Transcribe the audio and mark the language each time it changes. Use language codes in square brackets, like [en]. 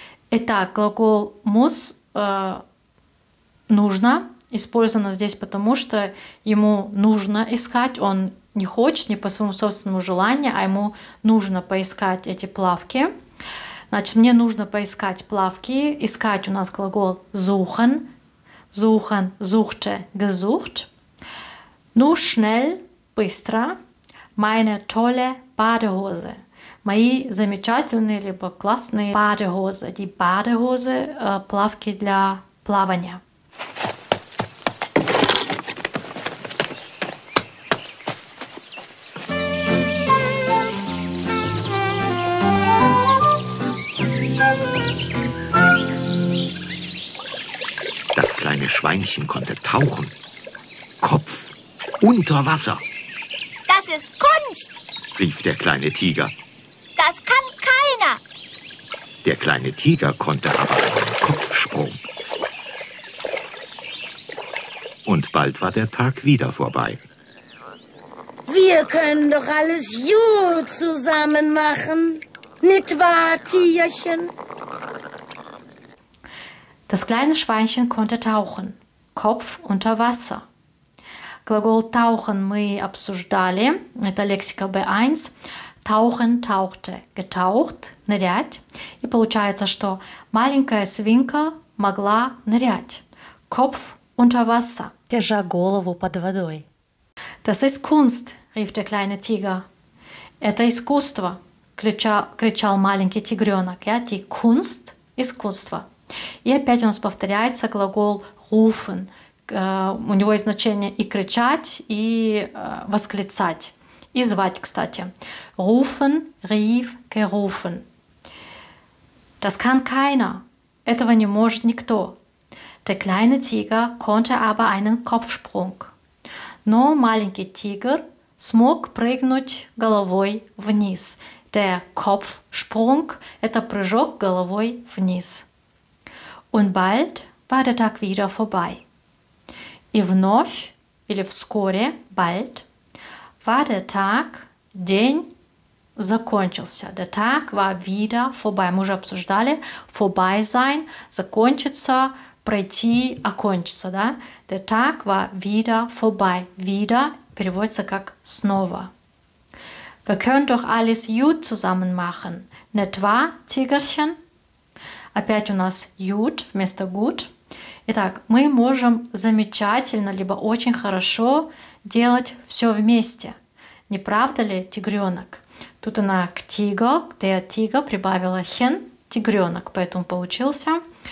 [ru] Итак, глагол muss нужно использовано здесь, потому что ему нужно искать, он не хочет не по своему собственному желанию, а ему нужно поискать эти плавки. Значит, мне нужно поискать плавки. Искать у нас глагол suchen. [de] Suchen, suchte, gesucht. Nur schnell, [ru] быстро. [de] Meine tolle Badehose. [ru] Мои замечательные, либо классные Badehose. Die Badehose, плавки для плавания. [de] Schweinchen konnte tauchen. Kopf, unter Wasser. Das ist Kunst, rief der kleine Tiger. Das kann keiner. Der kleine Tiger konnte aber einen Kopfsprung. Und bald war der Tag wieder vorbei. Wir können doch alles gut zusammen machen, nicht wahr, Tierchen? Das kleine Schweinchen konnte tauchen, Kopf unter Wasser. [ru] Глагол «tauchen» мы обсуждали, это лексика B1. [de] «Tauchen» – «tauchte», «getaucht» – [ru] «нырять». И получается, что маленькая свинка могла нырять. [de] «Kopf unter Wasser» [ru] – держа голову под водой. [de] «Das ist Kunst», – rief der kleine Tiger. [ru] «Это искусство», – кричал маленький тигренок. [de] Ja, die Kunst – [ru] искусство. И опять у нас повторяется глагол «rufen». У него есть значение и кричать, и восклицать, и звать, кстати. [de] Rufen, rief, gerufen. Das kann keiner. [ru] Этого не может никто. [de] Der kleine Tiger konnte aber einen Kopfsprung. [ru] Но маленький тигр смог прыгнуть головой вниз. Der Kopfsprung – это прыжок головой вниз. [de] Und bald war der Tag wieder vorbei. [ru] И вновь, или вскоре, bald, [de] war der Tag, [ru] день закончился. [de] Der Tag war wieder vorbei. [ru] Мы уже обсуждали, vorbei sein, закончиться, пройти, окончиться. Да? [de] Der Tag war wieder vorbei. [ru] Wieder переводится как снова. [de] Wir können doch alles gut zusammen machen. Nicht wahr, Tigerchen? [ru] Опять у нас gut вместо gut. Итак, мы можем замечательно, либо очень хорошо делать все вместе. Не правда ли, тигренок? Тут она к тиго, к те тиго прибавила хен, тигренок, поэтому получился.